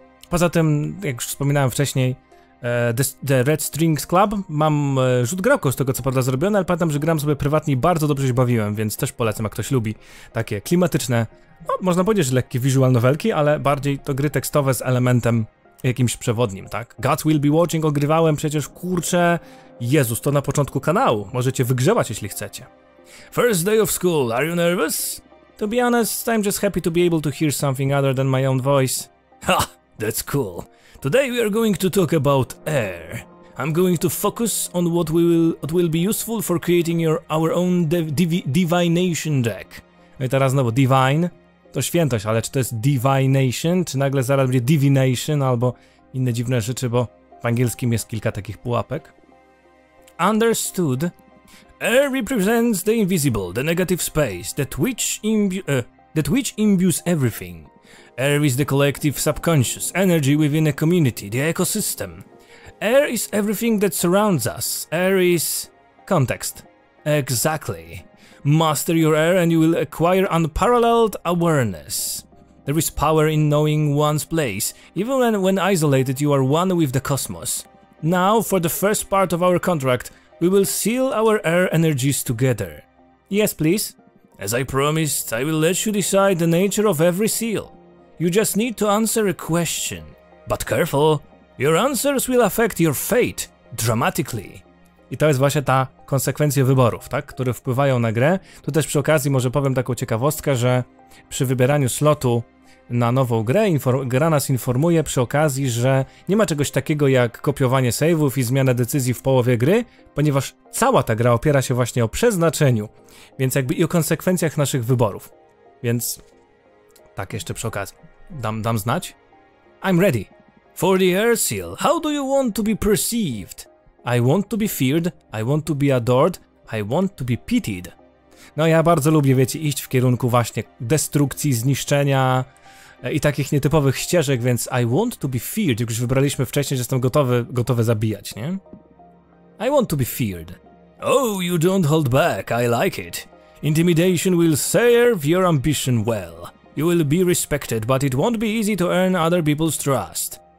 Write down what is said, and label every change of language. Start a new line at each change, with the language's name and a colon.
Polish: Poza tym, jak już wspominałem wcześniej, The Red Strings Club, mam rzut grałką z tego, co prawda zrobione, ale pamiętam, że gram sobie prywatnie i bardzo dobrze się bawiłem, więc też polecam, jak ktoś lubi takie klimatyczne, no, można powiedzieć, że lekkie visual novelki, ale bardziej to gry tekstowe z elementem jakimś przewodnim, tak? God Will Be Watching ogrywałem przecież, kurczę, Jezus, to na początku kanału, możecie wygrzewać, jeśli chcecie.
English: First day of school, are you nervous? To be honest, I'm just happy to be able to hear something other than my own voice. Ha! That's cool. Today we are going to talk about air. I'm going to focus on what will be useful for creating our own divination deck.
Polish: No i teraz znowu divine. To świętość, ale czy to jest divination? Czy nagle zaraz będzie divination albo inne dziwne rzeczy, bo w angielskim jest kilka takich pułapek.
English: Understood. Air represents the invisible, the negative space, that which that which imbues everything. Air is the collective subconscious, energy within a community, the ecosystem. Air is everything that surrounds us. Air is... context. Exactly. Master your air and you will acquire unparalleled awareness. There is power in knowing one's place. Even when isolated, you are one with the cosmos. Now, for the first part of our contract, we will seal our air energies together. Yes, please. As I promised, I will let you decide the nature of every seal. You just need to answer a question. But careful, your answers will affect your fate dramatically.
Polish: I to jest właśnie ta konsekwencja wyborów, tak, które wpływają na grę. Tu też przy okazji może powiem taką ciekawostkę, że przy wybieraniu slotu na nową grę, gra nas informuje przy okazji, że nie ma czegoś takiego jak kopiowanie save'ów i zmiana decyzji w połowie gry, ponieważ cała ta gra opiera się właśnie o przeznaczeniu, więc jakby i o konsekwencjach naszych wyborów. Więc tak jeszcze przy okazji dam znać.
English: I'm ready. For the air seal, how do you want to be perceived? I want to be feared, I want to be adored, I want to be pitied.
Polish: No ja bardzo lubię, wiecie, iść w kierunku właśnie destrukcji, zniszczenia i takich nietypowych ścieżek, więc
English: I want to be feared,
Polish: jak już wybraliśmy wcześniej, że jestem gotowy zabijać, nie?
English: I want to be feared. Oh, you don't hold back, I like it. Intimidation will serve your ambition well. You will be respected, but it won't be easy to earn other people's trust.